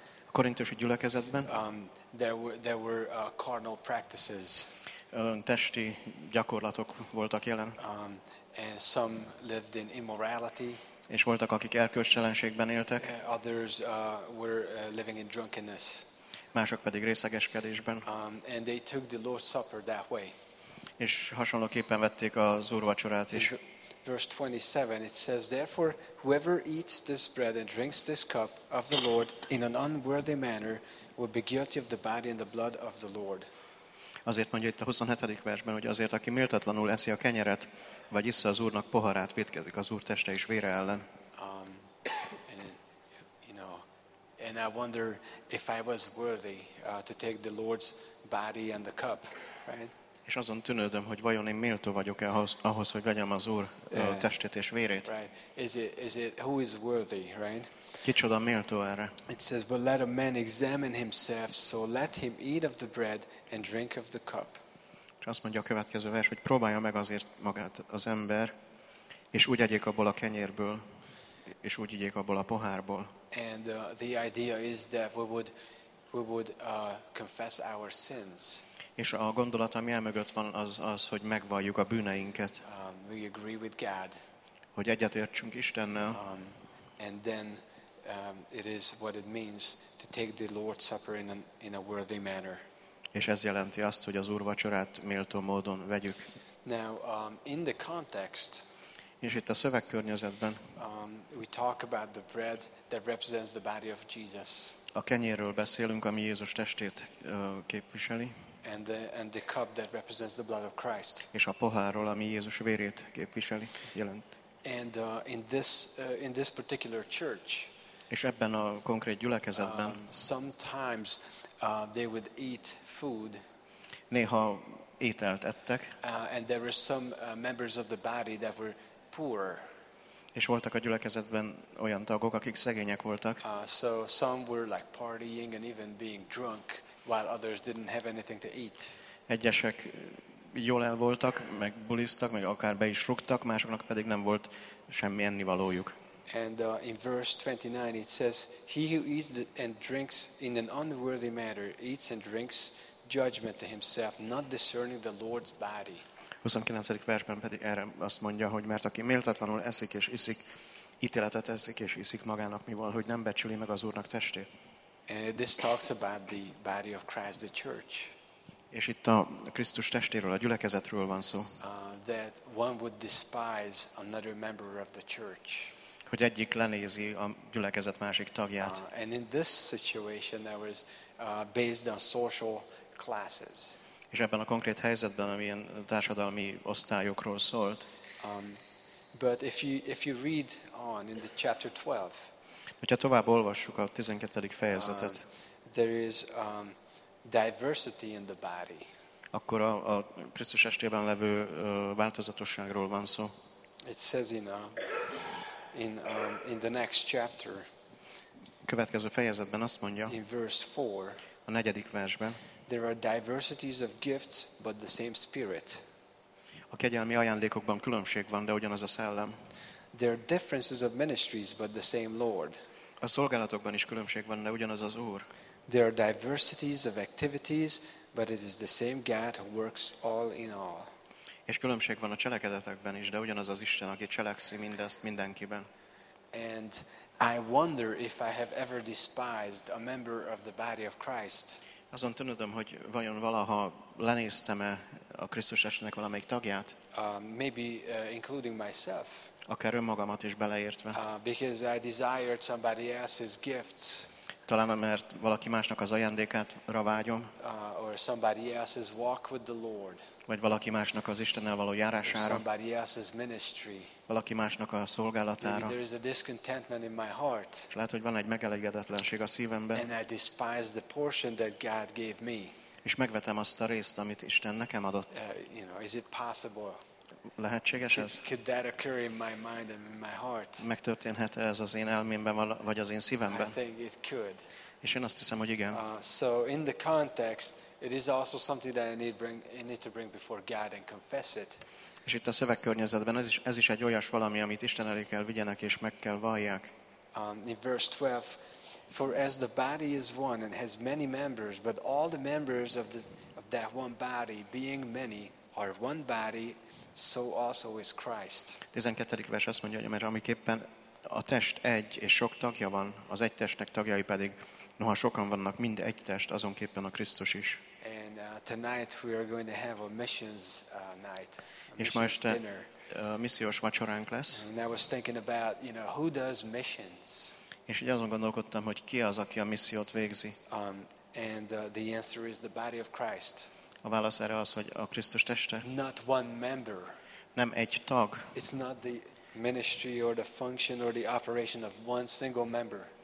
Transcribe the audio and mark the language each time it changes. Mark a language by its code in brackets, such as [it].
[hu] a korintusi gyülekezetben, [en] there were carnal practices, [hu] testi gyakorlatok voltak jelen, [en] and some lived in immorality, [hu] és voltak, akik erkölcstelenségben éltek, [en] others were living in drunkenness. [hu] Mások pedig részegeskedésben. [en] And they took the Lord's Supper that way. [hu] És hasonlóképpen vették az úrvacsorát is. [en] Verse 27, it says, "Therefore, whoever eats this bread and drinks this cup of the Lord in an unworthy manner will be guilty of the body and the blood of the Lord." [hu] Azért mondja itt a 27. versben, hogy azért, aki méltatlanul eszi a kenyeret, vagy issza az Úrnak poharát, vétkezik az Úr teste és vére ellen. [en] And I wonder if I was worthy to take the Lord's body and the cup, right? [hu] És azon tűnődöm, hogy vajon én méltó vagyok ahhoz, hogy vegyem az Úr testét és vérét. [en] Right. Is it who is worthy, right? [hu] Kicsoda méltó erre. [en] It says, "But let a man examine himself, so let him eat of the bread and drink of the cup." [hu] És azt mondja a következő vers, hogy próbálja meg azért magát az ember, és úgy egyék abból a kenyérből, és úgy igyék abból a pohárból. [en] And the idea is that we would confess our sins. [hu] És a gondolat, ami elmögött van, az, hogy megvalljuk a bűneinket. [en] We agree with God. [hu] Hogy egyetértsünk Istennel. [en] And then it is what it means to take the Lord's Supper in a worthy manner. [hu] És ez jelenti azt, hogy az úrvacsorát méltó módon vegyük. [en] Now, in the context, [hu] és itt a szövegkörnyezetben, [en] we talk about the bread that represents the body of Jesus. [hu] A kenyérről beszélünk, ami Jézus testét képviseli. [en] And the cup that represents the blood of Christ. [hu] És a pohárról, ami Jézus vérét képviseli, jelent. [en] And in this particular church, [hu] és ebben a konkrét gyülekezetben, [en] sometimes they would eat food. [hu] Néha ételt ettek. [en] And there were some members of the body that were poor. [hu] És voltak a gyülekezetben olyan tagok, akik szegények voltak. [en] So some were like partying and even being drunk, while others didn't have anything to eat. [hu] Egyesek jól el voltak, meg buliztak, meg akár be is rúgtak, másoknak pedig nem volt semmi ennivalójuk. [en] And in verse 29 it says, he who eats and drinks in an unworthy manner eats and drinks judgment to himself, not discerning the Lord's body. [hu] 29. versben pedig erre azt mondja, hogy mert aki méltatlanul eszik és iszik, ítéletet eszik és iszik magának, mivel hogy nem becsüli meg az Úrnak testét. [en] And this talks about the body of Christ, the church. [hu] És itt a Krisztus testéről, a gyülekezetről van szó. [en] That one would despise another member of the church. [hu] Hogy egyik lenézi a gyülekezet másik tagját. [en] And in this situation that was based on social classes. [hu] És ebben a konkrét helyzetben, amilyen társadalmi osztályokról szólt. [en] But if you read on in the chapter 12. [hu] Hogyha tovább olvassuk a 12. fejezetet. [en] There is diversity in the body. [hu] Akkor a Krisztus testében levő változatosságról van szó. [en] It says in the next chapter. [hu] Következő fejezetben azt mondja. [en] In verse 4. [hu] A 4. versben. [en] There are diversities of gifts, but the same spirit. [hu] A kegyelmi ajándékokban különbség van, de ugyanaz a szellem. [en] There are differences of ministries, but the same Lord. [hu] A szolgálatokban is különbség van, de ugyanaz az Úr. [en] There are diversities of activities, but it is the same God who works all in all. [hu] És különbség van a cselekedetekben is, de ugyanaz az Isten, aki cselekszi mindezt mindenkiben. [en] And I wonder if I have ever despised a member of the body of Christ. [hu] Azon tűnődöm, hogy vajon valaha lenéztem-e a Krisztus testének valamelyik tagját? [en] Maybe including myself. [hu] Akár önmagamat is beleértve. [en] Because I desired somebody else's gifts. [hu] Talán mert valaki másnak az ajándékára vágyom. [en] Or somebody else's walk with the Lord. [hu] Vagy valaki másnak az Istennel való járására. [en] Or somebody else's ministry. [hu] Valaki másnak a szolgálatára. [en] Maybe there is a discontentment in my heart. [hu] És lehet, hogy van egy megelégedetlenség a szívemben. [en] And I despise the portion that God gave me. [hu] És megvetem azt a részt, amit Isten nekem adott. [en] Is it possible? [hu] Lehetséges ez? [en] Could that occur in my mind and in my heart? [hu] Megtörténhet ez az én elmémben vagy az én szívemben? [en] I think it could. [hu] És én azt hiszem, hogy igen. [en] So in the context, it is also something that I need to bring before God and confess it. [hu] És itt a szövegkörnyezetben ez is egy olyas valami, amit Isten elé kell vigyenek és meg kell vallják. [en] In verse 12, for as the body is one and has many members, but all the members of that one body, being many, are one body, so also is Christ. [hu] 12. vers azt mondja, hogy mert amiképpen a test egy és sok tagja van, az egy testnek tagjai pedig, noha sokan vannak, mind egy test, azonképpen a Krisztus is. [en] And tonight we are going to have a missions night. [hu] És ma este missziós vacsoránk lesz. [en] And I was thinking about, who does missions? [hu] És így azon gondolkodtam, hogy ki az, aki a missziót végzi. [en] The answer is the body of Christ. [hu] A válasz erre az, hogy a Krisztus teste. [en] Not one member. [hu] Nem egy tag. [en] It's not the ministry or the function or the operation of one single member.